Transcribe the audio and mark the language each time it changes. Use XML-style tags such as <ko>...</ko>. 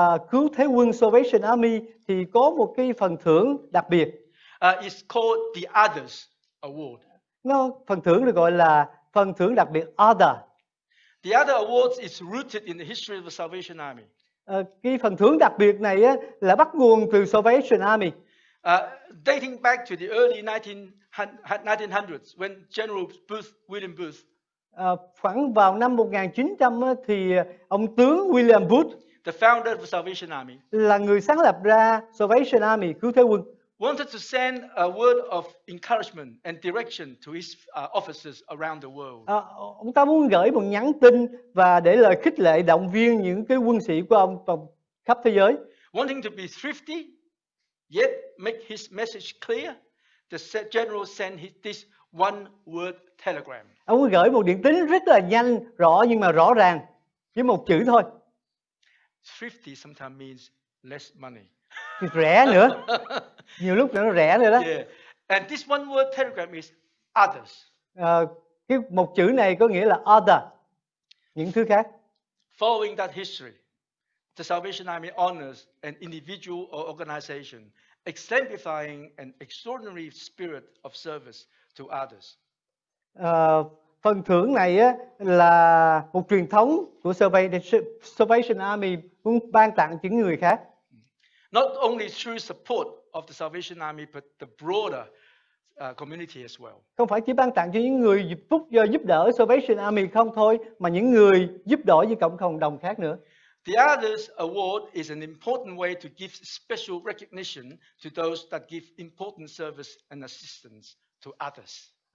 <vi>Cứu thế quân Salvation Army thì có một cái phần thưởng đặc biệt.</vi> <en>It's called the Others Award.</en> <vi>No, phần thưởng được gọi là phần thưởng đặc biệt Other.</vi> <en>The Other Awards is rooted in the history of the Salvation Army.</en> <vi>Cái phần thưởng đặc biệt này là bắt nguồn từ Salvation Army.</vi> <en>Dating back to the early 1900s when General Booth, William Booth,</en> <vi>khoảng vào năm 1900 thì ông tướng William Booth,</vi> <en>the founder of the Salvation Army,</en> <vi>là người sáng lập ra Salvation Army, cứu thế quân,</vi> <en>wanted to send a word of encouragement and direction to his officers around the world.</en> <vi>Ông ta muốn gửi một nhắn tin và để lời khích lệ động viên những cái quân sĩ của ông khắp thế giới.</vi> <en>Wanting to be thrifty yet make his message clear, the general sent this one word telegram.</en> <vi>Ông gửi một điện tín rất là nhanh, rõ nhưng mà rõ ràng, chỉ một chữ thôi.</vi> <en>Thrifty sometimes means less money.</en> <vi>Thì rẻ nữa. Nhiều lúc nó rẻ nữa đó.</vi> <en>Yeah. And this one word telegram is others.</en> <vi>Cái một chữ này có nghĩa là other. Những thứ khác.</vi> <en>Following that history, the Salvation Army honors an individual or organization exemplifying an extraordinary spirit of service to others.</en> <vi>Phần thưởng này là một truyền thống của Salvation Army muốn ban tặng những người khác.</vi> <en>Not only through support of the Salvation Army but the broader community as well.</en> <vi>Không phải chỉ ban tặng cho những người giúp đỡ Salvation Army không thôi mà những người giúp đỡ với cộng đồng khác nữa.</vi> <en>The Others Award is an important way to give special recognition to those that give important service and assistance to others.</en>